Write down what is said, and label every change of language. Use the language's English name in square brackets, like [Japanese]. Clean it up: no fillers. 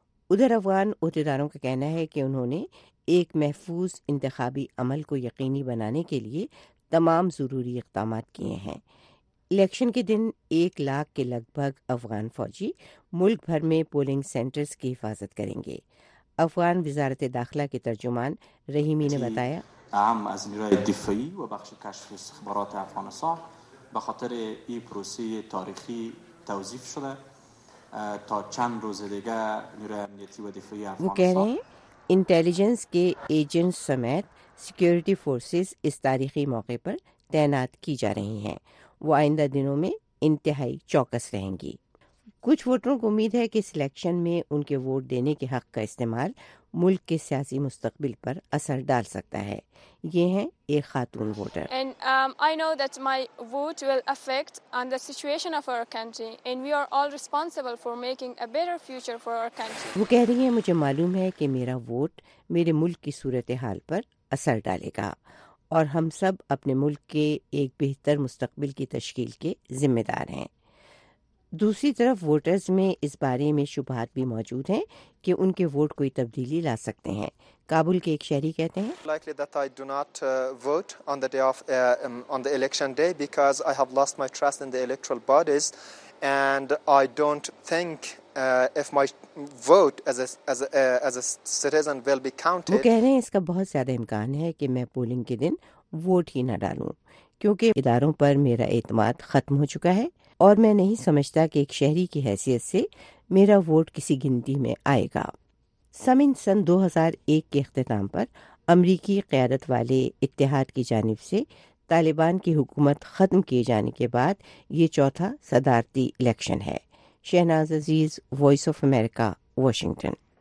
[Urdu] ادھر افغان عہدیداروں کا کہنا ہے کہ انہوں نے ایک محفوظ انتخابی عمل کو یقینی بنانے کے لیے تمام ضروری اقدامات کیے ہیں۔ الیکشن کے دن 1 لاکھ کے لگ بھگ افغان فوجی ملک بھر میں پولنگ سینٹرز کی حفاظت کریں گے۔ افغان وزارت داخلہ کے ترجمان رحیمی نے بتایا، [Persian] اہم از نیروی دفاعی و بخش کشف استخبارات افغانستان بخاطر این پروسه تاریخی توظیف شده، تا چند روز دیگه نیروی امنیتی و دفاعی افغانستان، [Urdu] وہ کہہ رہے ہیں، انٹیلیجنس کے ایجنٹس سمیت سیکیورٹی فورسز اس تاریخی موقع پر تعینات کی جا رہی ہیں، وہ آئندہ دنوں میں انتہائی چوکس رہیں گی۔ کچھ ووٹروں کو امید ہے کہ اس الیکشن میں ان کے ووٹ دینے کے حق کا استعمال ملک کے سیاسی مستقبل پر اثر ڈال سکتا ہے۔ یہ ہیں ایک خاتون voter, [English] I know that my vote will affect on the situation of our country and we are all responsible for making a better future for our country۔ [Urdu] وہ کہہ رہی ہیں، مجھے معلوم ہے کہ میرا ووٹ میرے ملک کی صورتحال پر اثر ڈالے گا اور ہم سب اپنے ملک کے ایک بہتر مستقبل کی تشکیل کے ذمہ دار ہیں۔ دوسری طرف ووٹرز میں اس بارے میں شبہات بھی موجود ہیں کہ ان کے ووٹ کوئی تبدیلی لا سکتے ہیں۔ کابل کے ایک شہری کہتے ہیں، [English] Likely that I do not vote on the day of on the election day because I have lost my trust in the electoral bodies and I don't think if my vote as a citizen will be counted۔ [Urdu] وہ کہہ رہے ہیں، اس کا بہت زیادہ امکان ہے کہ میں پولنگ کے دن ووٹ ہی نہ ڈالوں کیونکہ اداروں پر میرا اعتماد ختم ہو چکا ہے اور میں نہیں سمجھتا کہ ایک شہری کی حیثیت سے میرا ووٹ کسی گنتی میں آئے گا۔ سمن سن 2001 کے اختتام پر امریکی قیادت والے اتحاد کی جانب سے طالبان کی حکومت ختم کیے جانے کے بعد یہ چوتھا صدارتی الیکشن ہے۔ شہناز عزیز، وائس آف امریکہ، واشنگٹن۔